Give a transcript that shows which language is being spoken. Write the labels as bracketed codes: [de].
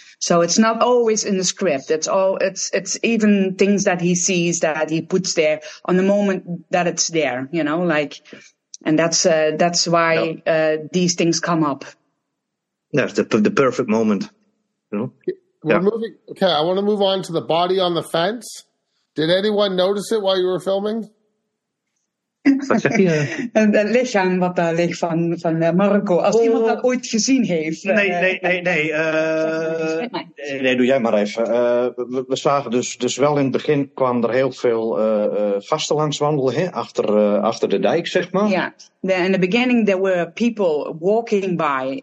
[en] So it's not always in the script. It's even things that he sees that he puts there on the moment that it's there, you know, like. And that's why these things come up. That's the perfect moment. You know? Okay, I want to move on to the body on the fence. Did anyone notice it while you were filming? [nl] Het lichaam wat daar ligt van Marco. Als iemand dat ooit gezien heeft. Nee, doe jij maar even. We zagen dus wel in het begin kwam er heel veel gasten langs wandelen. Hè, achter de dijk, zeg maar. [en] Ja, in the beginning there were people walking by.